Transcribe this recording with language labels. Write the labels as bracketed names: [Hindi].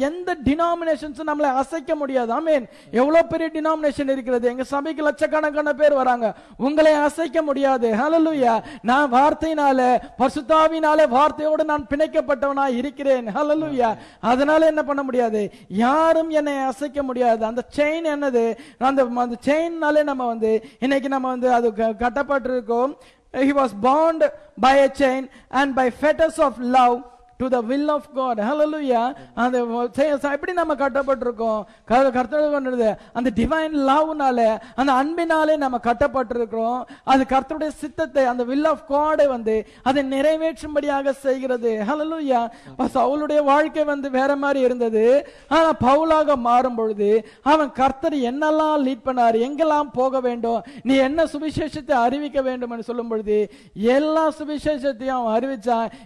[Tamil] எந்த டினாமினேஷன்ஸ் நம்மள அசைக்க முடியாது. ஆமென். எவ்வளவு பெரிய டினாமினேஷன் இருக்கிறது, எங்க சபைக்கு லட்சக்கணக்கான பேர் வராங்க, உங்களை அசைக்க முடியாது. ஹல்லேலூயா. நான் வார்த்தையினால, பரிசுத்தாவினால, வார்த்தையோடு நான் பிணைக்கப்பட்டவனா இருக்கிறேன். ஹல்லேலூயா. அதனால என்ன பண்ண முடியாது, யாரும் என்னை அசைக்க முடியாது. அந்த செயின் என்னது, அந்த செயின்னாலே நம்ம வந்து இன்னைக்கு நம்ம வந்து அது கட்டப்பட்டிருக்கோம். [English] He was bound by a chain and by fetters of love to the will of God. Hallelujah. [Tamil] And எப்படி நம்ம கட்டப்பட்டிருக்கோம், கர்த்தருடைய அந்த divine love-னால, அந்த அன்பினாலே நம்ம கட்டப்பட்டிருக்கிறோம். அது கர்த்தருடைய சித்தத்தை, அந்த will of God வந்து அதை நிறைவேற்றும்படியாக செய்கிறது. Hallelujah. சவுலுடைய வாழ்க்கை வந்து வேற மாதிரி இருந்தது. ஆனா பவுலாக மாறும் பொழுது அவன் கர்த்தர் என்னெல்லாம் லீட் பண்ணார், எங்கெல்லாம் போக வேண்டும், நீ என்ன சுவிசேஷத்தை அறிவிக்க வேண்டும் என்று சொல்லும் பொழுது எல்லா சுவிசேஷத்தையும் அவன் அறிவிச்சான்.